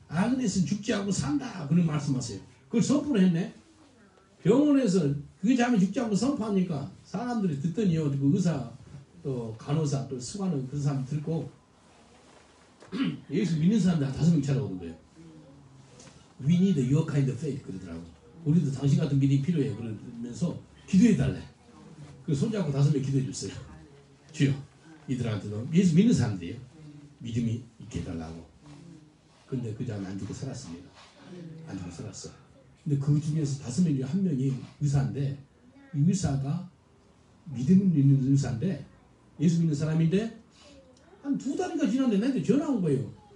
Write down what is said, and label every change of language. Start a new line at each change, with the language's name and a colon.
Korean: 아그네스는 죽지 않고 산다 그런 말씀하세요. 그걸 선포를 했네. 병원에서 그 자매 죽지 않고 선포하니까 사람들이 듣더니요. 그 의사 또 간호사 또 수많은 그 사람 들고 예수 믿는 사람들 다섯 명 찾아오는 거예요.
English: We need your kind of faith 그러더라고.
Korean: 우리도 당신 같은 믿음이 필요해 그러면서 기도해달래. 그 손잡고 다섯 명 기도해줬어요. 주여 이들한테도 예수 믿는 사람들이에요. 믿음이 있게 해달라고. 근데 그 자매 안 죽고 살았습니다. 안 죽고 살았어. 근데 그 중에서 다섯 명 중에 한 명이 의사인데 이 의사가 믿음 있는 의사인데 예수 믿는 사람인데 한 두 달인가 지났는데 나한테 전화 온 거예요.